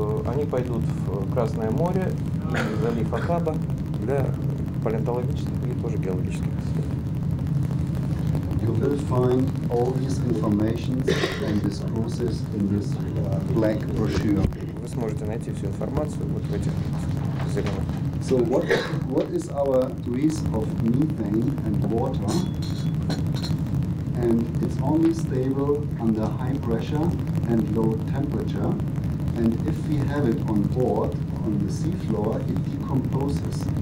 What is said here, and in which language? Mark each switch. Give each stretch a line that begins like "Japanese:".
Russian: они пойдут в Красное море, в залив Акаба для палеонтологических и тоже геологических исследований.
English: You will find all this information and these cruises in this black brochure.
Russian: Вы сможете найти всю информацию вот в этих зеленых.
English: So what is our risk of methane and water? And it's only stable under high pressure and low temperature. And if we have it on board on the seafloor, it decomposes.